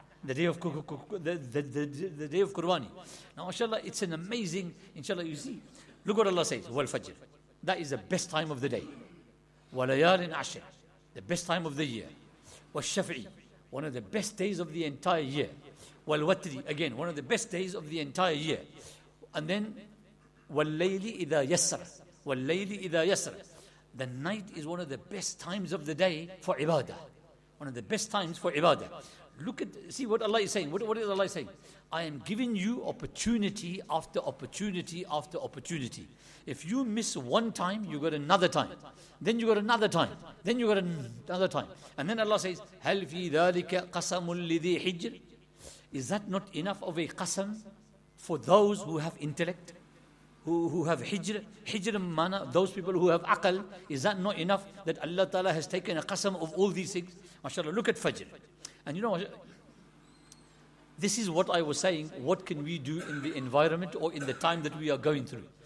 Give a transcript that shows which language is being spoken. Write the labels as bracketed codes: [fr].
[en] The day of Qurbani. Now, inshallah, it's an amazing, inshallah, you see. Look what Allah says, Wal Fajr. That is the best time of the day. [ar] وَلَيَالٍ عَشْرٍ, [en] the best time of the year. وَالشَّفْعِ, one of the best days of the entire year. وَالْوَتْرِ, again, one of the best days of the entire year. [ar] And then, وَاللَّيْلِ إِذَا يَسْرَ, وَاللَّيْلِ إِذَا يَسْرَ. [en] The night is one of the best times of the day for ibadah. One of the best times for ibadah. Look at, see what Allah is saying. What is Allah saying? I am giving you opportunity after opportunity after opportunity. If you miss one time, you got another time. Then you got another time. Then you got another time. And then Allah says, [ar] هَلْ فِي ذَلِكَ قَسَمٌ لِذِي حِجْرٍ. [en] Is that not enough of a qasam for those who have intellect? Who have hijr, hijr mana, those people who have aqal, is that not enough that Allah Ta'ala has taken a qasam of all these things? MashaAllah, look at Fajr. And you know, this is what I was saying, what can we do in the environment or in the time that we are going through?